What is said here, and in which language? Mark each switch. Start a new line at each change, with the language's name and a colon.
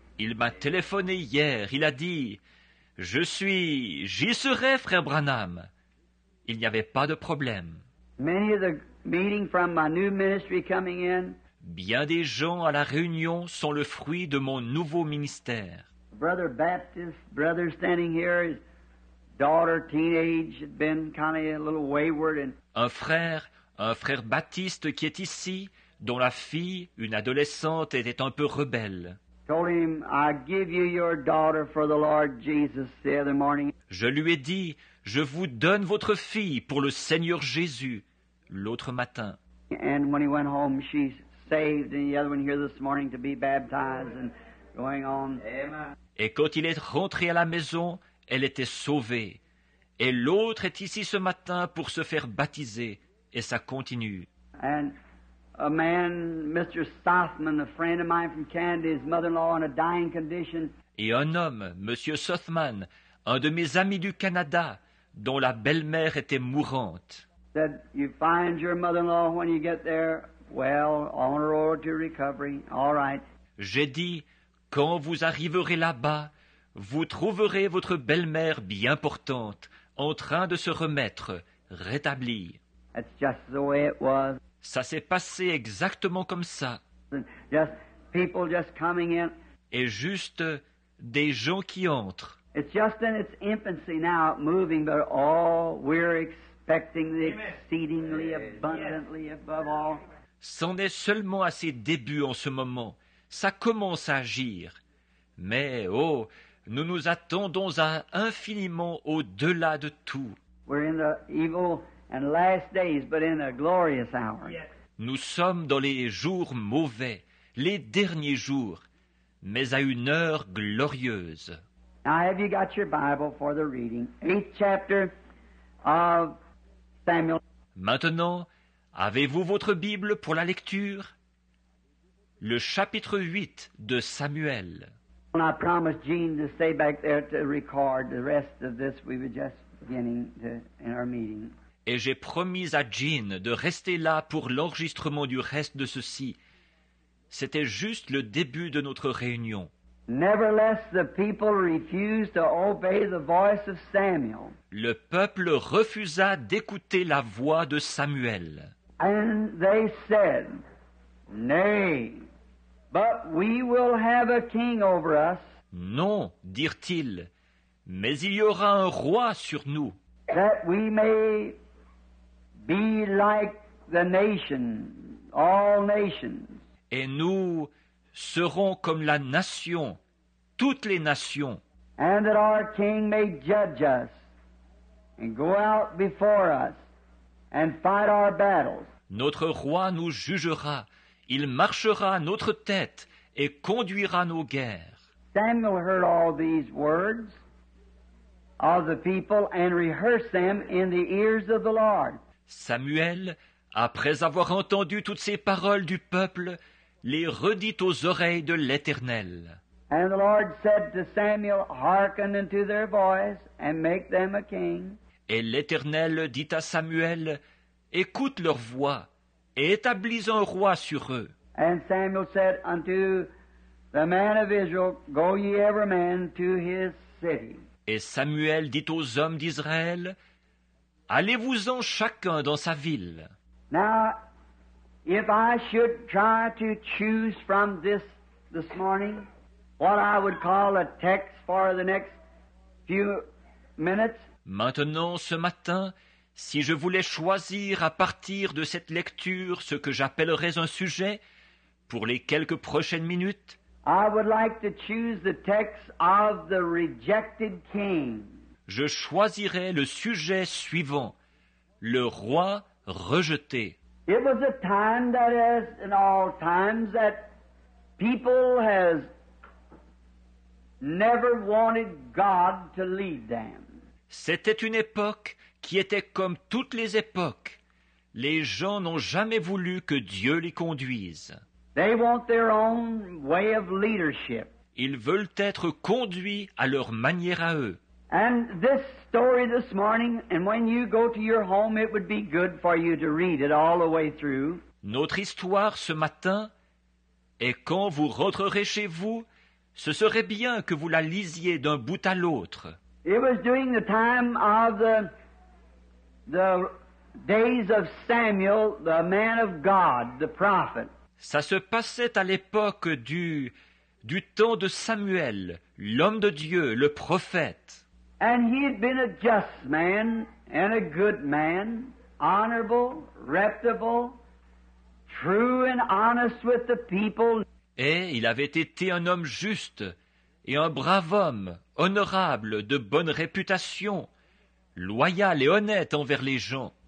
French: Il m'a téléphoné hier, il a dit, j'y serai, Frère Branham. Il n'y avait pas de problème.
English: Many of the meeting from my new ministry coming in.
French: Bien des gens à la réunion sont le fruit de mon nouveau ministère.
English: Brother Baptist, brother standing here, his daughter, teenage, had been kind of a little wayward.
French: Un frère Baptiste qui est ici, dont la fille, une adolescente, était un peu rebelle.
English: Told him, I give you your daughter for the Lord Jesus the other morning.
French: Je lui ai dit, je vous donne votre fille pour le Seigneur Jésus l'autre matin.
English: And when he went home, she saved, and the other one here this morning to be baptized and going on. Amen.
French: Et quand il est rentré à la maison, elle était sauvée. Et l'autre est ici ce matin pour se faire baptiser, et ça continue.
English: And a man, Mr. Sothman, a friend of mine from Canada, his mother-in-law in a dying condition.
French: Et un homme, Monsieur Sothman, un de mes amis du Canada, dont la belle-mère était mourante.
English: Said, you find your mother-in-law when you get there. Well, on her road to recovery. All right.
French: J'ai dit, quand vous arriverez là-bas, vous trouverez votre belle-mère bien portante, en train de se remettre, rétablie.
English: That's just the way it was.
French: Ça s'est passé exactement comme ça.
English: Just people just coming in.
French: Et juste des gens qui entrent.
English: It's just in its infancy now, moving, but all we're expecting the exceedingly abundantly above all.
French: C'en est seulement à ses débuts en ce moment. Ça commence à agir. Mais, oh, Nous nous attendons à infiniment au-delà de tout.
English: We're in the evil and last days, but in a glorious hour. Yes.
French: Nous sommes dans les jours mauvais, les derniers jours, mais à une heure glorieuse.
English: Now, have you got your Bible for the reading? Eighth chapter of Samuel.
French: Maintenant, avez-vous votre Bible pour la lecture? Le chapitre 8 de Samuel.
English: And I promised Jean to stay back there to record the rest of this. We were just beginning to, in our meeting.
French: Et j'ai promis à Jean de rester là pour l'enregistrement du reste de ceci. C'était juste le début de notre réunion.
English: Nevertheless, the people refused to obey the voice of Samuel.
French: Le peuple refusa d'écouter la voix de Samuel.
English: And they said, Nay, but we will have a king over us.
French: Non, dirent-ils, mais il y aura un roi sur nous.
English: That we may be like the nation, all nations.
French: Et nous serons comme la nation, toutes les nations.
English: And that our king may judge us and go out before us and fight our battles.
French: Notre roi nous jugera, il marchera à notre tête et conduira nos guerres.
English: Samuel heard all these words of the people and rehearsed them in the ears of the Lord.
French: Samuel, après avoir entendu toutes ces paroles du peuple, les redit aux oreilles de l'Éternel.
English: And the Lord said to Samuel, hearken unto their voice and make them a king.
French: Et l'Éternel dit à Samuel, écoute leur voix et établis un roi sur eux.
English: And Samuel said unto the man of Israel, go ye every man to his city.
French: Et Samuel dit aux hommes d'Israël, allez-vous-en chacun dans sa ville.
English: Now, if I should try to choose from this morning what I would call a text for the next few minutes.
French: Maintenant, ce matin, si je voulais choisir à partir de cette lecture ce que j'appellerais un sujet pour les quelques prochaines minutes,
English: I would like to choose the text of the rejected king.
French: Je choisirai le sujet suivant, le roi rejeté.
English: It was a time that is in all times that people has never wanted God to lead them.
French: C'était une époque qui était comme toutes les époques. Les gens n'ont jamais voulu que Dieu les conduise.
English: They want their own way of leadership.
French: Ils veulent être conduits à leur manière à eux.
English: And this story this morning, and when you go to your home, it would be good for you to read it all the way through.
French: Notre histoire ce matin, et quand vous rentrerez chez vous, ce serait bien que vous la lisiez d'un bout à l'autre.
English: It was during the time of the days of Samuel, the man of God, the prophet.
French: Ça se passait à l'époque du temps de Samuel, l'homme de Dieu, le prophète.
English: And he had been a just man and a good man, honorable, reputable, true and honest with the people.
French: Et il avait été un homme juste et un brave homme, honorable, de bonne réputation, loyal et honnête envers les gens.